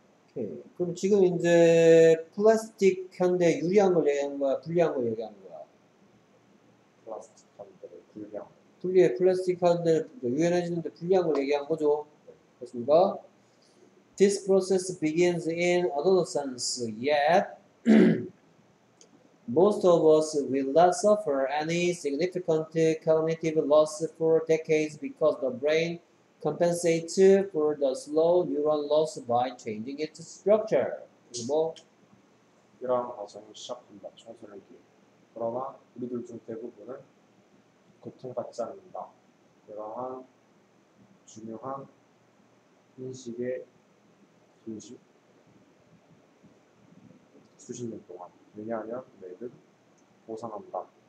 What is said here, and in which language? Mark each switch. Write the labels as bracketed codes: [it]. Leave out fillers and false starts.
[ko] 오케이. 그럼 지금 이제 플라스틱 현대 유리한 걸 얘기하는 거야? 불리한 걸 얘기하는 거야? 플라스틱 현대를 불리한 거. 분리해 플라스틱 하는데 유연해지는데 불리한 걸 얘기한 거죠. 그렇습니까? [en] This process begins in adolescence, yet most of us will not suffer any significant cognitive loss for decades because the brain compensates for the slow neuron loss by changing its structure. [ko] 뭐? 이러한 과정이 시작된다. 청소년기. 그러나 우리들 중 대부분은 고통받지 않는다. 이러한 중요한 인식의 인식 수십 년 동안 왜냐하면 뇌는 보상한다.